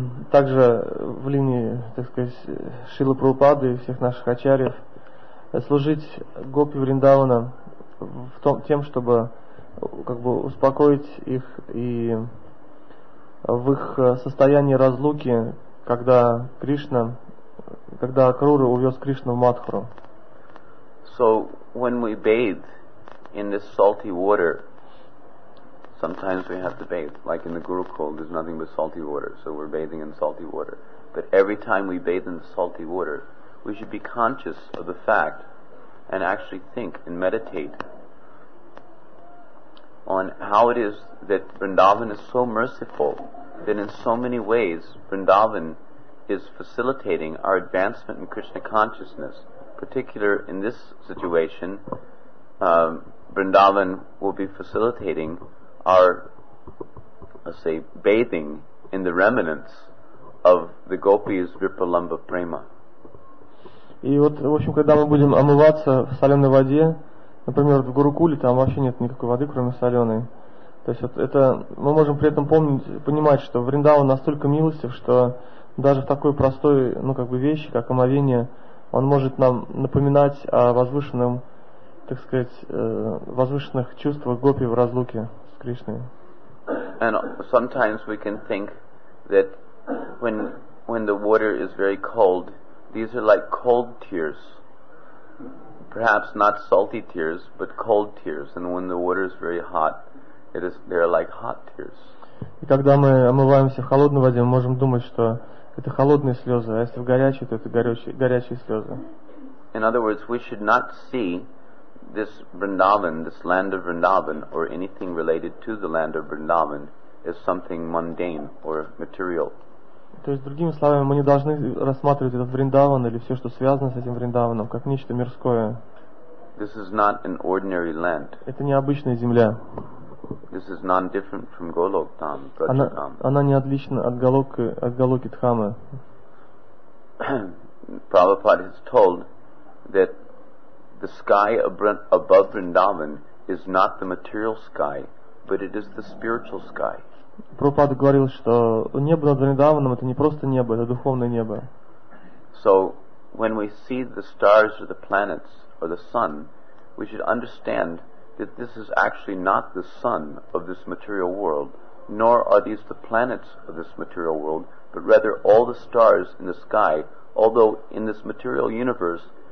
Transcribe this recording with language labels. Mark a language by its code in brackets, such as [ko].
[ru] также в линии, так сказать, Шрилы Прабхупады и всех наших ачарьев, служить гопи Вриндавана в том, тем, чтобы как бы успокоить их и в их состоянии разлуки, когда Кришна, когда Акрура увез Кришну в Матхуру. [en] So when we bathe in this salty water, sometimes we have to bathe, like in the Gurukul, there's nothing but salty water, so we're bathing in salty water. But every time we bathe in the salty water, we should be conscious of the fact and actually think and meditate on how it is that Vrindavan is so merciful that in so many ways Vrindavan is facilitating our advancement in Krishna consciousness. Particular in this situation, Vrindavan will be facilitating our, let's say, bathing in the remnants of the gopis Vipalamba Prema. [ru] И вот, в общем, когда мы будем омываться в соленой воде, например, в Гурукуле, там вообще нет никакой воды, кроме соленой. То есть вот это мы можем при этом помнить, понимать, что Вриндаван настолько милостив, что даже в такой простой, ну как бы вещи, как омовение, он может нам напоминать о возвышенном, так сказать, возвышенных чувствах гопи в разлуке с Кришной. [en] And sometimes we can think that when the water is very cold, these are like cold tears. Perhaps not salty tears, but cold tears. And when the water is very hot, they are like hot tears. [ru] И когда мы омываемся в холодной воде, мы можем думать, что это холодные слезы, а если в горячей, то это горячие слезы. [en] In other words, we should not see this Vrindavan, this land of Vrindavan, or anything related to the land of Vrindavan, as something mundane or material. [ru] То есть, другими словами, мы не должны рассматривать этот Вриндаван или все, что связано с этим Вриндаваном, как нечто мирское. [en] This is not an ordinary land. [ru] Это не обычная земля. [en] This is not different from Golok Dham, Brajadham. [ru] Она не отлична от Голоки, от Голоки Дхамы. [en] Prabhupada has told that the sky above Vrindavan is not the material sky, but it is the spiritual sky. [ru] Прабхупада говорил, что небо над Вриндаваном это не просто небо, это духовное небо. [en] So when we see the stars or the planets or the sun, we should understand that this is actually not the sun of this material world, nor are these the planets of this material world, but rather all the stars in the sky, although in this material universe